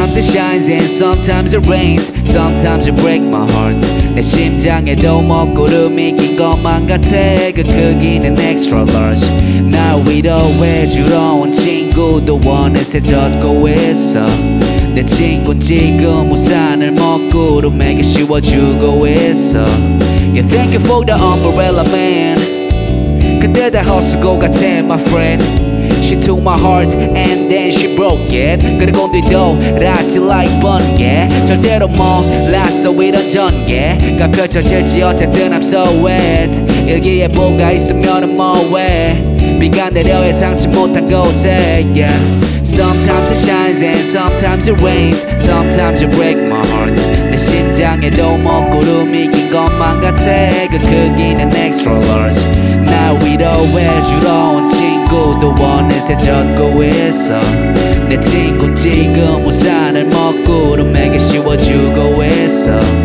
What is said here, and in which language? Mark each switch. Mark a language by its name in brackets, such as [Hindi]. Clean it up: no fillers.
[English] shines and sometimes it rains. Sometimes you break my heart. [Korean] 내 심장에도 먹구름이 낀 것만 같아. 그 크기는 [English] extra large. [Korean] 날 위로해주러 온 친구도 원해서 젖고 있어. 내 친구는 지금 우산을 먹구름에게 씌워주고 있어. [English] Yeah, thank you for the umbrella man. [Korean] 근데 다 헛수고 같아 [English] my friend. She took my heart and then she broke it. [Korean] 그리고 뒤돌았지 [English] like [Korean] 번개. 절대로 몰랐어 이런 전개. 가펼쳐질지 어쨌든 [English] I'm so wet. [Korean] 일기에 뭐가 있으면은 뭐해. 비가 내려 예상치 못한 곳에 [English] yeah. Sometimes it shines and sometimes it rains. Sometimes you break my heart. [Korean] 내 심장에도 먹구름이 낀 것만 같아. 그 크기는 [English] extra large. [Korean] 날 위로해주러 온 친구도 원해서 젖고 있어. 내 친구는 지금 우산을 먹구름에게 씌워주고 있어.